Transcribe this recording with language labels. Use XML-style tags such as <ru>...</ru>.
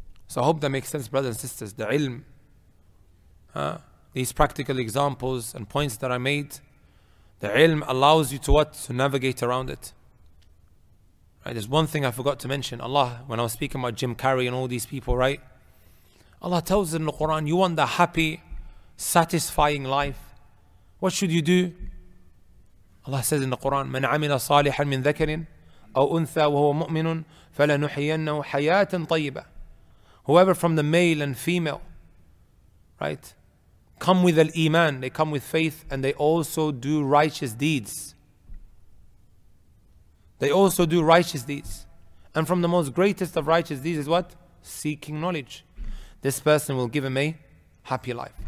<en>So I hope that makes sense, brothers and sisters. The ilm, these practical examples and points that I made, the ilm allows you to what? To navigate around it. Right, there's one thing I forgot to mention. Allah, when I was speaking about Jim Carrey and all these people, right? Allah tells in the Quran, you want the happy, satisfying life. What should you do? Allah says in the Quran,</en> <ar>مَنْ عَمِلَ صَالِحًا مِنْ ذَكَرٍ أَوْ أُنْثَى وَهُوَ مُؤْمِنٌ فَلَنُحْيَنَّهُ حَيَاةً طَيِّبًا.</ar> <en>Whoever from the male and female, right? Come with al-Iman, they come with faith, and they also do righteous deeds. They also do righteous deeds. And from the most greatest of righteous deeds is what? Seeking knowledge. This person will give him a happy life.</en>